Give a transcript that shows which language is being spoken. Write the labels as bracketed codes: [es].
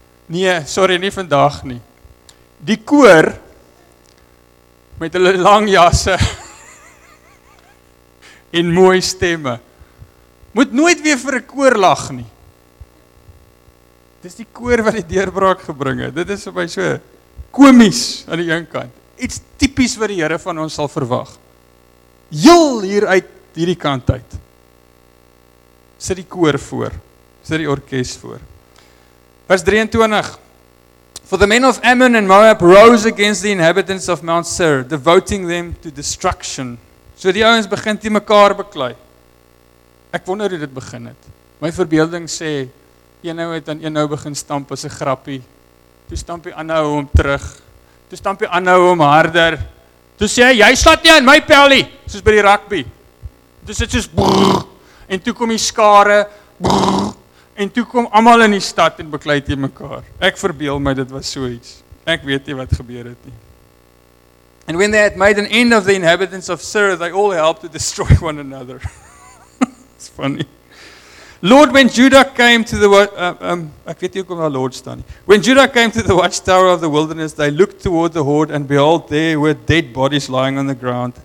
[af] Nee, sorry, nie vandag nie. Die koor met hulle lang jasse en mooi stemme. Moet nooit weer vir 'n koor lag nie. Dis die koor wat die deurbraak gebring het. Dit is vir my so komies aan die een kant. Iets tipies wat die Here van ons sal verwag. Heel hier uit hierdie kant uit. Sit die koor voor. Sit die orkes voor. Vers 23. [en] For the men of Ammon and Moab rose against the inhabitants of Mount Seir, devoting them to destruction. [af] So die ouens begin te mekaar beklei. Ek wonder hoe dit begin het. My verbeelding sê, een nou het aan een nou begin stamp as 'n grappie. Toe stamp die ander hom terug. Toe stamp die ander hom harder. Toe sê hy, jy slaat nie aan my pelle, soos by die rugby. Toe sit soos, brrr, en toe kom die skare, brrr, en toe kom almal in die stad en beklei te mekaar. Ek verbeel my dit was so iets. Ek weet nie wat gebeur het nie. [en] And when they had made an end of the inhabitants of Seir, they all helped to destroy one another. It's funny. Lord, when Judah came to the [af] ek weet nie hoekom daar Lord staan nie. [en] When Judah came to the watchtower of the wilderness, they looked toward the horde and behold, there were dead bodies lying on the ground.